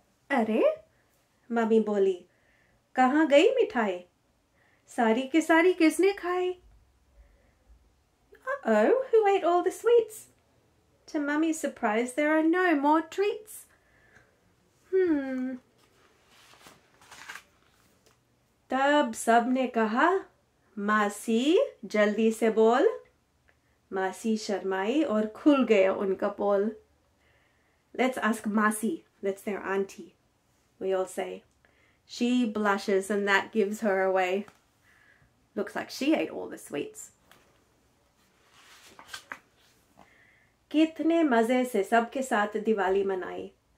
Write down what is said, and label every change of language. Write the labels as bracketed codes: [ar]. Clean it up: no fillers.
[hi] Are, mummy boli, kahan gayi mithai? Sari ke sari kisne khai? [en] Uh-oh, who ate all the sweets? To mummy's surprise, there are no more treats. [hi] तब सबने कहा, मासी, जल्दी से बोल. मासी शरमाई और खुल गया उनका बोल. [en] Let's ask Masi, that's their auntie. We all say, she blushes and that gives her away. Looks like she ate all the sweets. [hi] Kitne maze se sab ke saath Diwali manai.